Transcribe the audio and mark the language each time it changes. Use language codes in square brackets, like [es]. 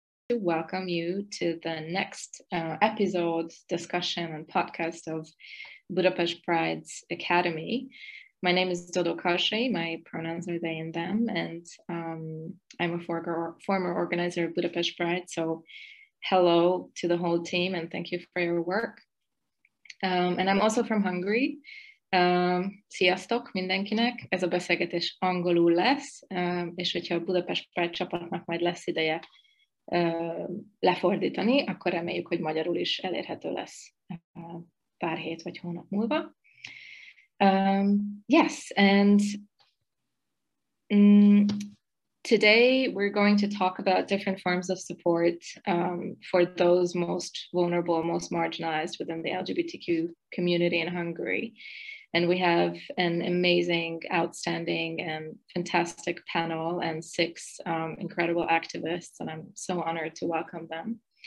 [en] to welcome you to the next episode, discussion and podcast of Budapest Pride's Academy. My name is Dodo Kashi. My pronouns are they and them, and I'm a former organizer of Budapest Pride. So hello to the whole team and thank you for your work. And I'm also from Hungary. [hu] Sziasztok mindenkinek! Ez a beszélgetés angolul lesz, és hogyha a Budapest Pride csapatnak majd lesz ideje lefordítani, akkor reméljük, hogy magyarul is elérhető lesz pár hét vagy hónap múlva. [en] Yes, and today we're going to talk about different forms of support for those most vulnerable, most marginalized within the LGBTQ community in Hungary. And we have an amazing, outstanding, and fantastic panel and six incredible activists, and I'm so honored to welcome them.